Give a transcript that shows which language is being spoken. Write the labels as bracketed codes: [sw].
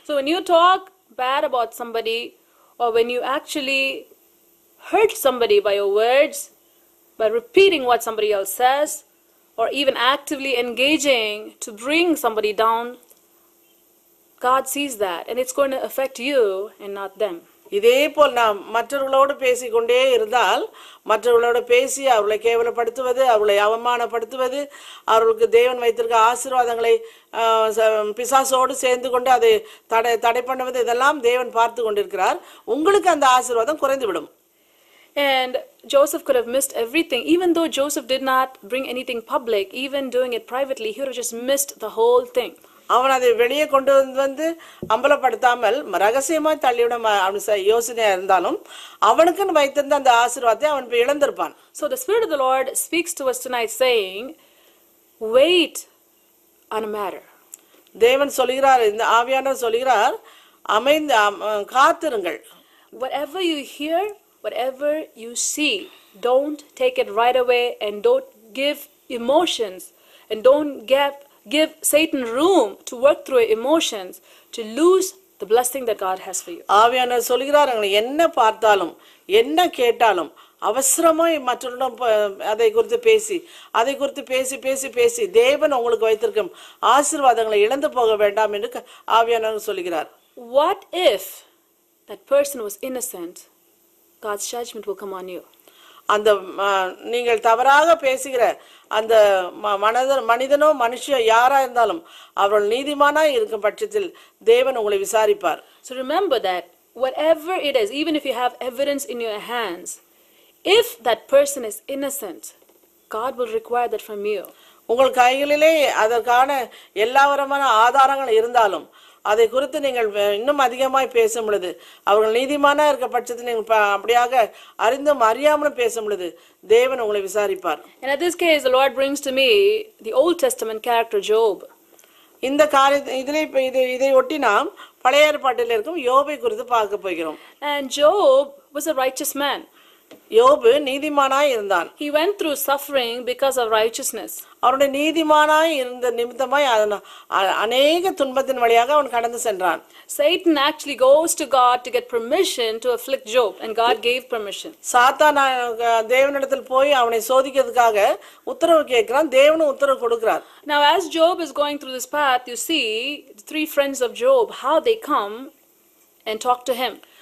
[en] So when you talk bad about somebody or when you actually hurt somebody by your words, by repeating what somebody else says or even actively engaging to bring somebody down, God sees that and it's going to affect you and not them. [ta] இதே போல் நாம் மற்றவர்களோடு பேசிக்கொண்டே இருந்தால் மற்றவர்களோடு பேசி அவர்களை கேவலப்படுத்துவது அவர்களை அவமானப்படுத்துவது அவர்களுக்கு தேவன் வைத்திருக்க ஆசீர்வாதங்களை பிசாசோடு சேர்ந்து கொண்டு அதை தடை பண்ணுவது இதெல்லாம் தேவன் பார்த்து கொண்டிருக்கிறார். உங்களுக்கு அந்த ஆசீர்வாதம் குறைந்துவிடும். [en] And Joseph could have missed everything. Even though Joseph did not bring anything public, even doing it privately, he would have just missed the whole thing. [ta] அவன் அதை வெளியே கொண்டு வந்து அம்பலப்படுத்தாமல் ரகசியமாக தள்ளிவிட அவன் யோசனையாக இருந்தாலும் அவனுக்குன்னு வைத்திருந்த அந்த ஆசீர்வாதத்தை அவன் போய் இழந்திருப்பான். [en] So the Spirit of the Lord speaks to us tonight saying, wait on a matter. [ta] தேவன் சொல்கிறார், இந்த ஆவியானவர் சொல்கிறார், அமைந்து காத்திருங்கள். [en] Whatever you hear, whatever you see, don't take it right away and don't give emotions and don't give Satan room to work through your emotions to lose the blessing that God has for you. [ta] ஆவியானவர் சொல்கிறார், என்ன பார்த்தாலும் என்ன கேட்டாலும் அவசரமாய் மற்றவர்களிடம் அதை குறித்து பேசி தேவன் உங்களுக்கு வைத்திருக்கும் ஆசீர்வாதங்களை இழந்து போக வேண்டாம் என்று ஆவியானவர் சொல்கிறார். [en] What if that person was innocent? God's judgment will come on you. [ta] அந்த நீங்கள் தவறாக பேசுகிற அந்த மனிதனோ மனுஷியோ யாரா இருந்தாலும் அவர்கள் நீதிமானா இருக்கும் பட்சத்தில் தேவன் உங்களை விசாரிப்பார். [en] So remember that whatever it is, even if you have evidence in your hands, if that person is innocent, God will require that from you. [ta] உங்கள் கைகளிலே அதற்கான எல்லாவிதமான ஆதாரங்கள் இருந்தாலும் அதை குறித்து நீங்கள் இன்னும் அதிகமாய் பேசும் பொழுது அவர்கள் நீதிமானா இருக்க பட்சத்தில் நீங்கள் அப்படியாக அறிந்தும் அறியாமலும் பேசும் பொழுது தேவன் உங்களை விசாரிப்பார். [en] And at this case, the Lord brings to me the Old Testament character Job. [ta] இந்த காரியத்தை இதை ஒட்டி நாம் பழைய ஏற்பாட்டில் இருக்கும் யோபை குறித்து பார்க்க போகிறோம். [en] And Job was a righteous man. [ta] யோபு நீதிமானாய் இருந்தான். [en] He went through suffering because of righteousness. [ta] அவருடைய நீதிமானாய் இருந்த நிமித்தமாய் அநேக துன்பத்தின் வழியாக அவன் கடந்து சென்றான். [en] Satan actually goes to God to get permission to afflict Job and God gave permission. [ta] சாத்தான் தேவனிடத்தில் போய் அவனை சோதிக்கிறதுக்காக உத்தரவு கேட்கிறான். தேவனும் உத்தரவு கொடுக்கிறார். [en] Now as Job is going through this path, you see the three friends of Job, how they come and talk to him.